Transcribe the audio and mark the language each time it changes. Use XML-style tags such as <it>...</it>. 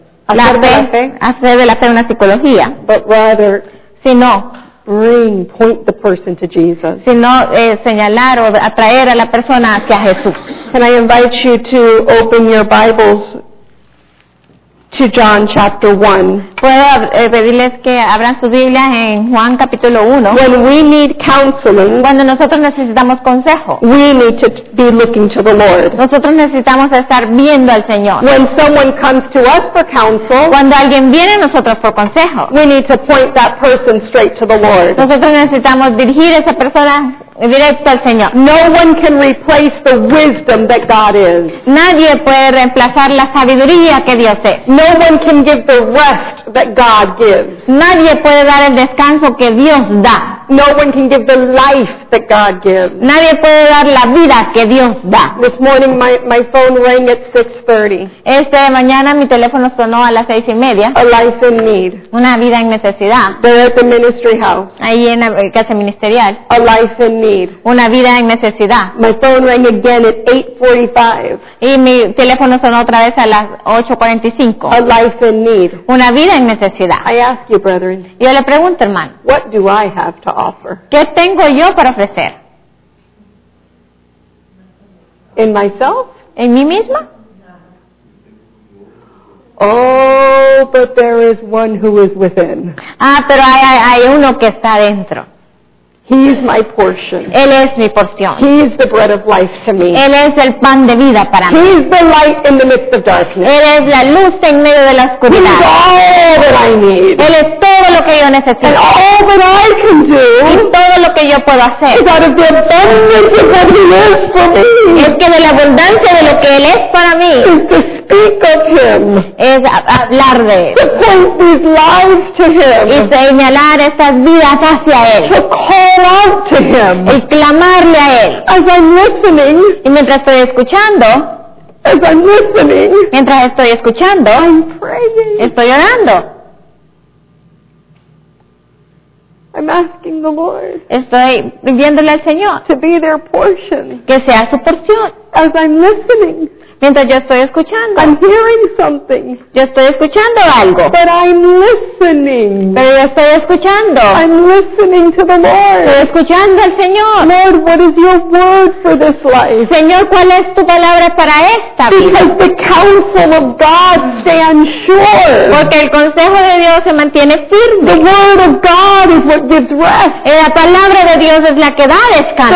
<es>hacer de la fe una psicología,</es> <en>but rather,</en> <es>sino</es> <en>bring, point the person to Jesus.</en> <es>Sino señalar o atraer a la persona hacia Jesús.</es> <en>Can I invite you to open your Bibles to John chapter 1?</en> <es>Puedo pedirles que abran sus Biblias en Juan capítulo 1.</es> <en>When we need counseling,</en> <es>cuando nosotros necesitamos consejo,</es> <en>we need to be looking to the Lord.</en> <es>Nosotros necesitamos estar viendo al Señor.</es> <en>When someone comes to us for counsel,</en> <es>cuando alguien viene a nosotros por consejo,</es> <en>we need to point that person straight to the Lord.</en> <es>Nosotros necesitamos dirigir a esa persona directo al Señor.</es> <en>No one can replace the wisdom that God is.</en> <es>Nadie puede reemplazar la sabiduría que Dios es.</es> <en>No one can give the rest that God gives.</en> <es>Nadie puede dar el descanso que Dios da.</es> <en>No one can give the life that God gives.</en> <es>Nadie puede dar la vida que Dios da.</es> <en>This morning my phone rang at 6:30.</en> <es>Esta mañana mi teléfono sonó a las 6:30.</es> <en>A life in need.</en> <es>Una vida en necesidad.</es> <en>There at the ministry house.</en> <es>Ahí en la casa ministerial.</es> <en>A life in need.</en> <es>Una vida en necesidad.</es> <en>My phone rang again at 8:45.</en> <es>Y mi teléfono sonó otra vez a las 8:45.</es> <en>A life in need.</en> <es>Una vida en necesidad.</es> <en>I ask you, brethren.</en> <es>Yo le pregunto, hermano.</es> <en>What do I have to offer?</en> <es>¿Qué tengo yo para ofrecer?</es> <en>In myself?</en> <es>¿En mí misma?</es> <en>Oh, but there is one who is within.</en> <es>Ah, pero hay uno que está dentro.</es> <en>He's my portion.</en> <es>Él es mi porción.</es> <en>He's the bread of life to me.</en> <es>Él es el pan de vida para mí.</es> <en>He's the light in the midst of darkness.</en> <es>Él es la luz en medio de la oscuridad.</es> <en>He's all that I need.</en> <es>Él es todo lo que yo necesito.</es> <en>And all that I can do.</en> <es>Y todo lo que yo puedo hacer.</es> <en>Is out of the abundance of what He is for me.</en> <es>Es que de la abundancia de lo que Él es para mí.</es> <en>Is to speak of Him.</en> <es>Es hablar de Él.</es> <en>To point these lives to Him.</en> <es>Y señalar estas vidas hacia Él.</es> <en>To call out to Him.</en> <es>Y clamarle a Él.</es> <en>As I'm listening.</en> <es>Y mientras estoy escuchando.</es> <en>As I'm listening.</en> <es>Mientras estoy escuchando.</es> <en>I'm praying.</en> <es>Estoy orando.</es> <en>I'm asking the Lord.</en> <es>Estoy pidiéndole al Señor.</es> <en>To be their portion.</en> <es>Que sea su porción.</es> <en>As I'm listening.</en> <es>Mientras yo estoy escuchando.</es> <en>I'm hearing something.</en> <es>Yo estoy escuchando algo.</es> <en>But I'm listening.</en> <es>Pero yo estoy escuchando.</es> <en>I'm listening to the Lord.</en> <es>Estoy escuchando al Señor.</es> <en>Lord, what is your word for this life?</en> <es>Señor, ¿cuál es tu palabra para esta vida?</es> <en>Because the counsel of God stands sure.</en> <es>Porque el consejo de Dios se mantiene firme.</es> <en>The word of God is what gives rest.</en> <es>La palabra de Dios es la que da descanso.</es>